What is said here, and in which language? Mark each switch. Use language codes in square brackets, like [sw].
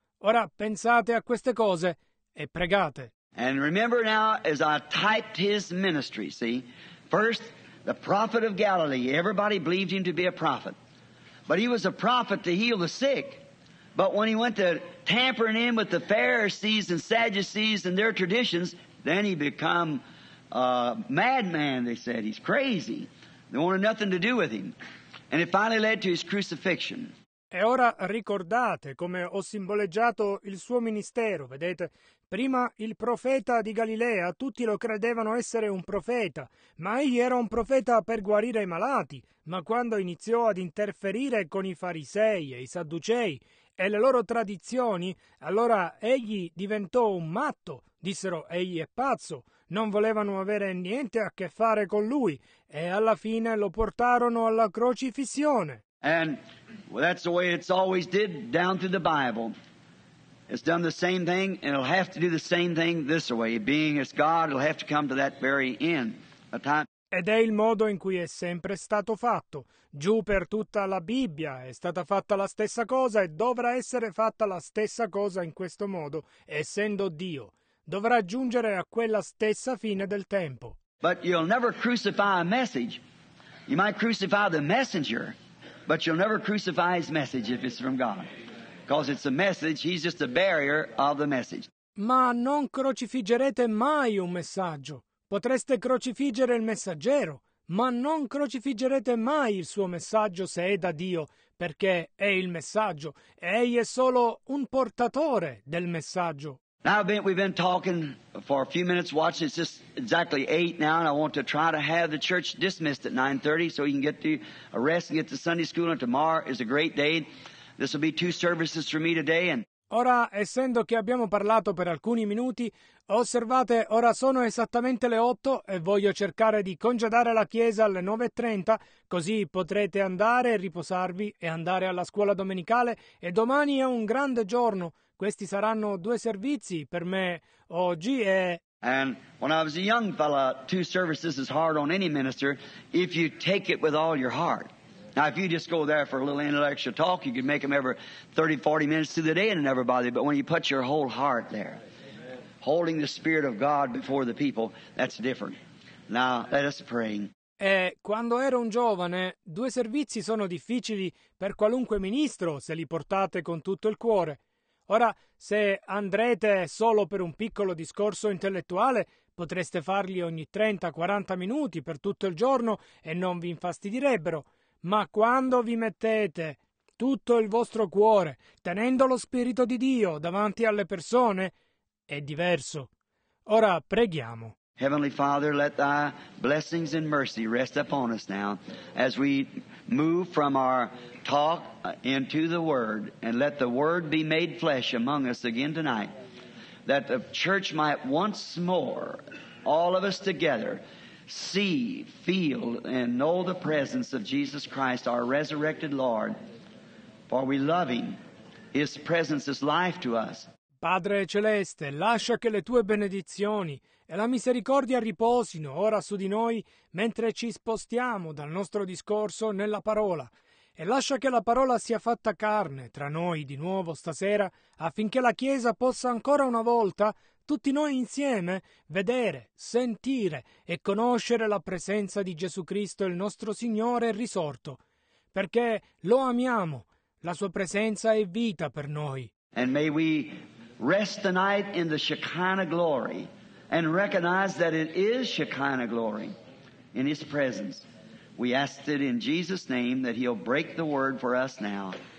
[it] Ora pensate a queste cose e pregate. [en] And remember now, as I typed his ministry, see, first the prophet of Galilee, everybody believed him to be a prophet. But he was a prophet to heal the sick. But when he went to tampering in with the Pharisees and Sadducees and their traditions, then he become a madman, they said. He's crazy. They wanted nothing to do with him. And it finally led to his crucifixion. [it] E ora ricordate come ho simboleggiato il suo ministero, vedete? Prima il profeta di Galilea, tutti lo credevano essere un profeta, ma egli era un profeta per guarire i malati. Ma quando iniziò ad interferire con i farisei e i sadducei, e le loro tradizioni, allora egli diventò un matto. Dissero, egli è pazzo, non volevano avere niente a che fare con lui, e alla fine lo portarono alla crocifissione. [en] And well, that's the way it's always did down through the Bible. It's done the same thing, and it'll have to do the same thing this way. Being as God, it'll have to come to that very end of time. [it] Ed è il modo in cui è sempre stato fatto. Giù per tutta la Bibbia è stata fatta la stessa cosa e dovrà essere fatta la stessa cosa in questo modo, essendo Dio. Dovrà giungere a quella stessa fine del tempo. [en] But you'll never crucify a message. You might crucify the messenger, but you'll never crucify his message if it's from God. Because it's a message, he's just a barrier of the message. [it] Ma non crocifiggerete mai un messaggio. Potreste crocifiggere il messaggero, ma non crocifiggerete mai il suo messaggio se è da Dio, perché è il messaggio, e egli è solo un portatore del messaggio. [en] Now we've been talking for a few minutes watching, it's just exactly 8 now, and I want to try to have the church dismissed at 9:30 so you can get to rest and get to Sunday school, and tomorrow is a great day. This will be 2 services for me today. And [it] ora, essendo che abbiamo parlato per alcuni minuti, osservate, ora sono esattamente le 8 e voglio cercare di congedare la chiesa alle 9:30, così potrete andare e riposarvi e andare alla scuola domenicale, e domani è un grande giorno. Questi saranno 2 servizi per me oggi e... [en] And when I was a young fella, 2 services is hard on any minister if you take it with all your heart. Now, if you just go there for a little intellectual talk, you can make them ever 30, 40 minutes through the day and never bother you. But when you put your whole heart there, amen, holding the Spirit of God before the people, that's different. Now, let us pray. [it] E quando ero un giovane, 2 servizi sono difficili per qualunque ministro se li portate con tutto il cuore. Ora, se andrete solo per un piccolo discorso intellettuale, potreste farli ogni 30, 40 minuti per tutto il giorno e non vi infastidirebbero. Ma quando vi mettete tutto il vostro cuore, tenendo lo Spirito di Dio davanti alle persone, è diverso. Ora preghiamo. [en] Heavenly Father, let thy blessings and mercy rest upon us now as we move from our talk into the Word, and let the Word be made flesh among us again tonight, that the church might once more, all of us together, see, feel, and know the presence of Jesus Christ, our resurrected Lord. For we love Him, His presence is life to us. [it] Padre celeste, lascia che le tue benedizioni e la misericordia riposino ora su di noi mentre ci spostiamo dal nostro discorso nella parola. E lascia che la parola sia fatta carne tra noi di nuovo stasera, affinché la Chiesa possa ancora una volta, tutti noi insieme, vedere, sentire e conoscere la presenza di Gesù Cristo, il nostro Signore risorto. Perché lo amiamo, la sua presenza è vita per noi. [en] And may we rest tonight in the Shekinah glory and recognize that it is Shekinah glory in His presence. We ask it in Jesus' name that He'll break the word for us now.